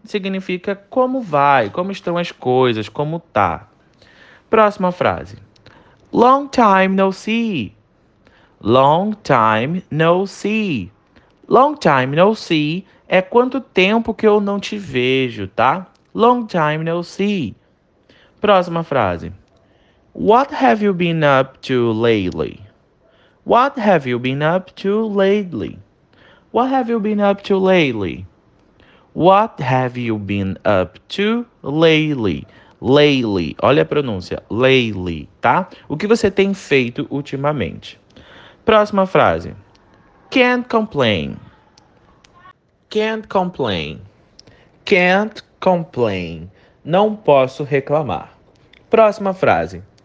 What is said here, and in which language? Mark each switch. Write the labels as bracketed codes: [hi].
[pt] Significa como vai, como estão as coisas, como tá. Próxima frase. [en] Long time no see. Long time no see. Long time no see [pt] é quanto tempo que eu não te vejo, tá? [en] Long time no see. [pt] Próxima frase. [en] What have you been up to lately? What have you been up to lately? What have you been up to lately? What have you been up to lately? [pt] Lately. Olha a pronúncia. Lately, tá? O que você tem feito ultimamente? Próxima frase. [en] Can't complain. Can't complain. Can't complain. [pt] Não posso reclamar. Próxima frase.